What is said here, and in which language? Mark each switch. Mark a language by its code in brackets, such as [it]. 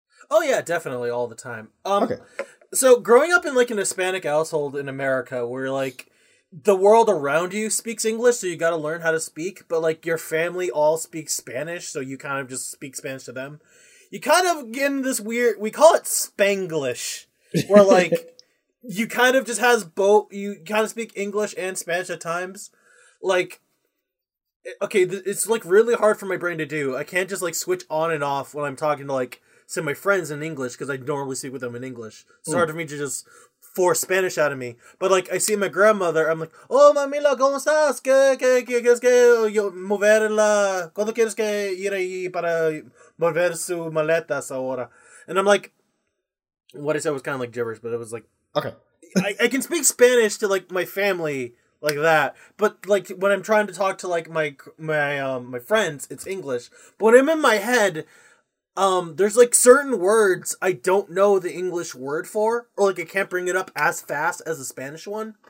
[en] Oh yeah, definitely, all the time. Okay. So, growing up in, like, an Hispanic household in America, where, like, the world around you speaks English, so you gotta learn how to speak, but, like, your family all speaks Spanish, so you kind of just speak Spanish to them, you kind of get in this weird, we call it Spanglish, where, like, you kind of just has both, you kind of speak English and Spanish at times. Like, okay, it's, like, really hard for my brain to do. I can't just, like, switch on and off when I'm talking to, like, say my friends in English, because I normally speak with them in English. It's hard for me to just force Spanish out of me. But, like, I see my grandmother, I'm like, oh, mamila, [es] ¿cómo estás? ¿Qué quieres que yo moverla? ¿Cuándo quieres que ir ahí para mover su maleta ahora? [en] And I'm like, what I said was kind of like gibberish, but it was like, okay. I can speak Spanish to, like, my family like that. But, like, when I'm trying to talk to, like, my friends, it's English. But when I'm in my head, there's, like, certain words I don't know the English word for, or, like, I can't bring it up as fast as the Spanish one.